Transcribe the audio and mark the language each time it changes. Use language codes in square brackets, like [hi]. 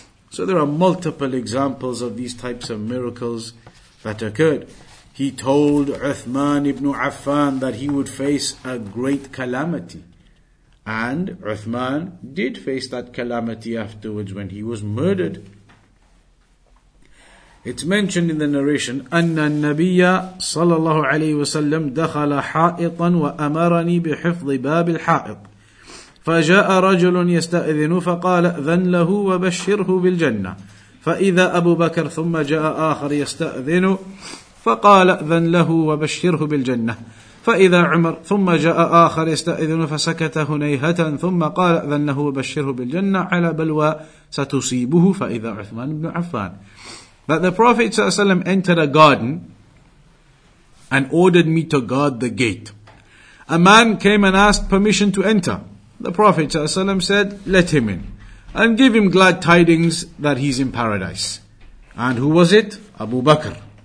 [en] So there are multiple examples of these types of miracles that occurred. He told Uthman ibn Affan that he would face a great calamity. And Uthman did face that calamity afterwards when he was murdered. It's mentioned in the narration, [ar] أَنَّ النَّبِيَّ صَلَى اللَّهُ عَلَيْهِ وَسَلَّمْ دَخَلَ حَائِطًا وَأَمَرَنِي بِحِفْظِ بَابِ الْحَائِطِ فَجَاءَ رَجُلٌ يَسْتَأْذِنُ فَقَالَ أَذَنْ لَهُ وَبَشِّرْهُ بِالْجَنَّةِ فَإِذَا أَبُو بَكَرْ ثُمَّ جَاءَ آخَرْ يَسْتَأْذِنُ فَقَالَ أَذَنْ لَهُ وَبَشِّرْهُ بِالْجَنَّةِ فإذا عمر ثم جاء آخر يستأذن فسكت هنيهة ثم قال أذن له وبشره بالجنة على بلوى ستصيبه فإذا عثمان بن عفان. [en] But the Prophet ﷺ entered a garden and ordered me to guard the gate. A man came and asked permission to enter. The Prophet ﷺ said, let him in and give him glad tidings that he's in paradise. And who was it? Abu Bakr.